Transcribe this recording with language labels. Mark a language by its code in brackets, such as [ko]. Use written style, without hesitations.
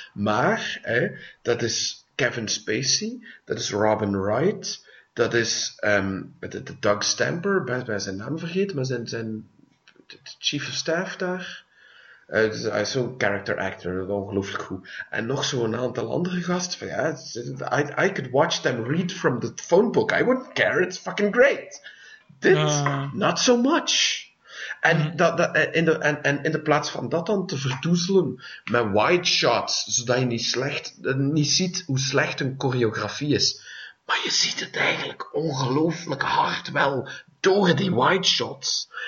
[nl] Maar, hè, dat is Kevin Spacey, dat is Robin Wright, dat is de Doug Stamper, ben ik zijn naam vergeten, maar zijn de chief of staff daar. Hij is zo'n character actor, ongelooflijk goed. En nog zo'n aantal andere gasten. Van, ja, [en] I could watch them read from the phone book. I wouldn't care, it's fucking great. Dit, not so much. [nl] En in de plaats van dat dan te verdoezelen met wide shots, zodat je niet ziet hoe slecht een choreografie is. Maar je ziet het eigenlijk ongelooflijk hard wel door die wide shots.